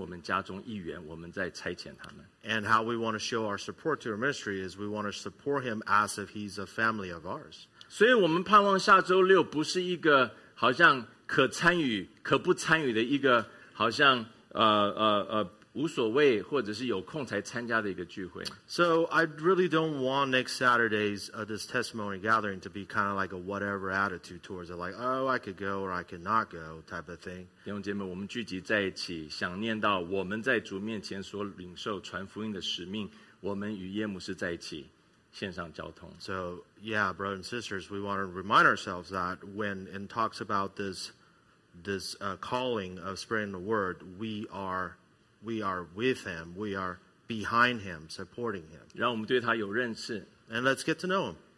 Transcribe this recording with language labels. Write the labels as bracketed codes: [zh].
[zh] 我们愿我们对我们宣教士的支持是把他当成我们家中一员，我们在差遣他们。 [en] And how we want to show our support to our ministry is we want to support him as if he's a family of ours. [zh] 所以我们盼望下周六不是一个好像可参与可不参与的一个好像无所谓或者是有空才参加的一个聚会。 [en] So I really don't want next Saturday's this testimony gathering to be kind of like a whatever attitude towards it, like, oh, I could go or I could not go type of thing. [zh] 弟兄姐妹,我们聚集在一起,想念到我们在主面前所领受传福音的使命,我们与耶牧师在一起,献上交通。 [en] So yeah, brothers and sisters, we want to remind ourselves that when it talks about this calling of spreading the word, we are with him. We are behind him, supporting him. And let's get to know him.